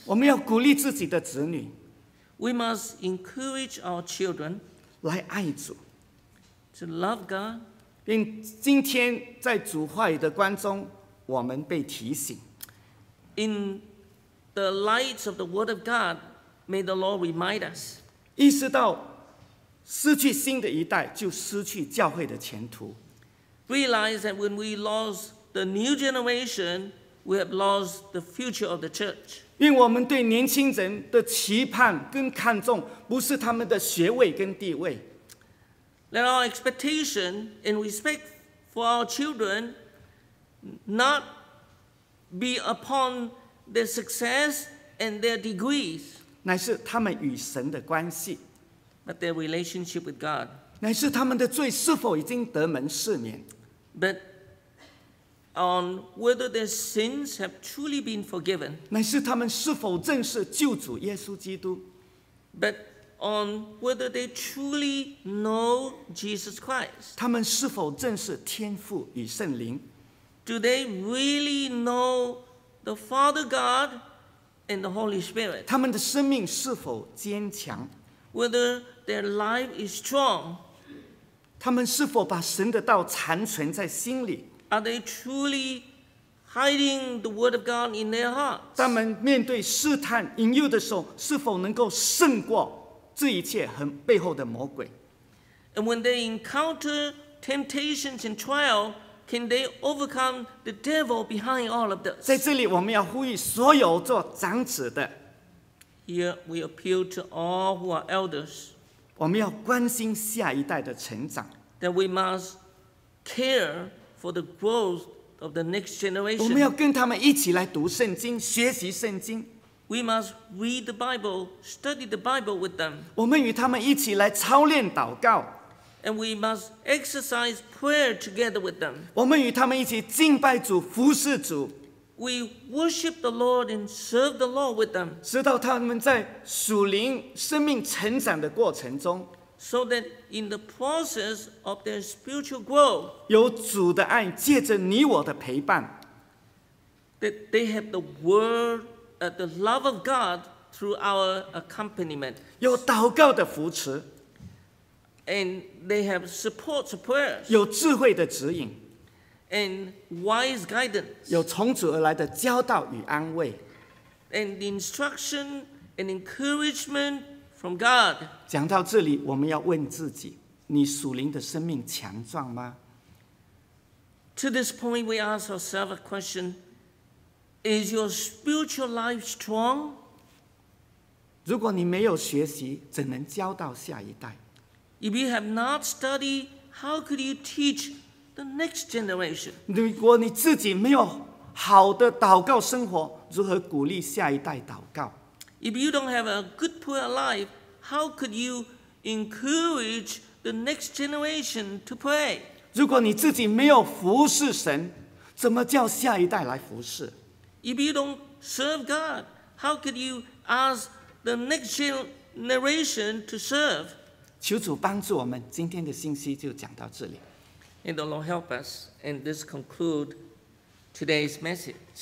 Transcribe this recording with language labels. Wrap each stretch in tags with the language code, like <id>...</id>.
<zh>我们要鼓励自己的子女。</zh> <en>We must encourage our children</en> <zh>来爱主</zh> <en>to love God.</en> <zh>并今天在主话语的光中，我们被提醒。</zh> <en>In the light of the Word of God, may the Lord remind us.</en> <zh>意识到失去新的一代，就失去教会的前途。</zh> <en>Realize that when we lost the new generation, we have lost the future of the church.</en> <zh>因为我们对年轻人的期盼跟看重，不是他们的学位跟地位。</zh> <en>That our expectation and respect for our children not be upon their success and their degrees.</en> <zh>乃是他们与神的关系。</zh> <en>But their relationship with God.</en> <zh>乃是他们的罪是否已经得蒙赦免。</zh> <en>But on whether their sins have truly been forgiven.</en> <zh>乃是他们是否认识救主耶稣基督。</zh> <en>But on whether they truly know Jesus Christ.</en> <zh>他们是否认识天父与圣灵。</zh> <en>Do they really know the Father God and the Holy Spirit?</en> <zh>他们的生命是否坚强？</zh> <en>Whether their life is strong,</en> <zh>他们是否把神的道残存在心里？</zh> <en>Are they truly hiding the word of God in their hearts?</en> <zh>他们面对试探引诱的时候，是否能够胜过这一切和背后的魔鬼？</zh> <en>And when they encounter temptations and trial, can they overcome the devil behind all of this?</en> <zh>在这里我们要呼吁所有做长子的。</zh> <en>Here we appeal to all who are elders.</en> <zh>我们要关心下一代的成长。</zh> <en>That we must care for the growth of the next generation.</en> <zh>我们要跟他们一起来读圣经，学习圣经。</zh> <en>We must read the Bible, study the Bible with them.</en> <zh>我们与他们一起来操练祷告。</zh> <en>And we must exercise prayer together with them.</en> <zh>我们与他们一起敬拜主，服侍主。</zh> <en>We worship the Lord and serve the Lord with them.</en> <zh>直到他们在属灵生命成长的过程中，</zh> <en>so that in the process of their spiritual growth,</en> <zh>有主的爱借着你我的陪伴，</zh> <en>that they have the word, the love of God through our accompaniment.</en> <zh>有祷告的扶持，</zh> <en>and they have support to prayers.</en> <zh>有智慧的指引。</zh> <en>And wise guidance.</en> <zh>有从主而来的教导与安慰。</zh> <en>And instruction and encouragement from God.</en> <zh>讲到这里，我们要问自己：你属灵的生命强壮吗？</zh> <en>To this point, we ask ourselves a question: Is your spiritual life strong?</en> <zh>如果你没有学习，怎能教导下一代？</zh> <en>If you have not studied, how could you teach the next generation?</en> <zh>如果你自己没有好的祷告生活，如何鼓励下一代祷告？</zh> <en>If you don't have a good prayer life, how could you encourage the next generation to pray?</en> <zh>如果你自己没有服侍神，怎么叫下一代来服侍？</zh> <en>If you don't serve God, how could you ask the next generation to serve?</en> <zh>求主帮助我们，今天的信息就讲到这里。</zh> <en>May the Lord help us, and this conclude today's message.</en>